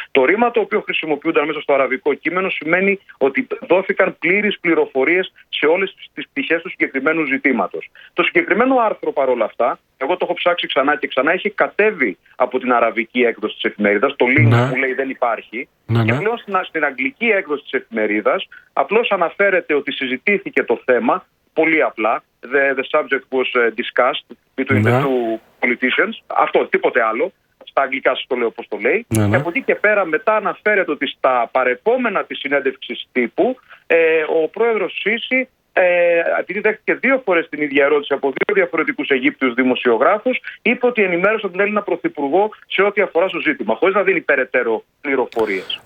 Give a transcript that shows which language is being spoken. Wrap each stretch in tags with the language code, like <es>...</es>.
<el>Το ρήμα το οποίο χρησιμοποιούνταν μέσα στο αραβικό κείμενο σημαίνει ότι δόθηκαν πλήρεις πληροφορίες σε όλες τις πτυχές του συγκεκριμένου ζητήματος. Το συγκεκριμένο άρθρο παρόλα αυτά, εγώ το έχω ψάξει ξανά και ξανά, έχει κατέβει από την αραβική έκδοση της εφημερίδας, το link που λέει δεν υπάρχει. Και πλέον στην αγγλική έκδοση της εφημερίδας απλώς αναφέρεται ότι συζητήθηκε το θέμα, πολύ απλά,</el> <en>the subject was discussed between the two politicians.</en> <el>Αυτό, τίποτε άλλο. Στα αγγλικά σας το λέω όπως το λέει. Ναι, ναι. Από εκεί και πέρα μετά αναφέρεται ότι στα παρεπόμενα της συνέντευξης τύπου ο πρόεδρος Σίση, επειδή δέχτηκε δύο φορές την ίδια ερώτηση από δύο διαφορετικούς Αιγύπτιους δημοσιογράφους, είπε ότι ενημέρωσε τον Έλληνα Πρωθυπουργό σε ό,τι αφορά στο ζήτημα, χωρίς να δίνει περαιτέρω πληροφορίες.</el>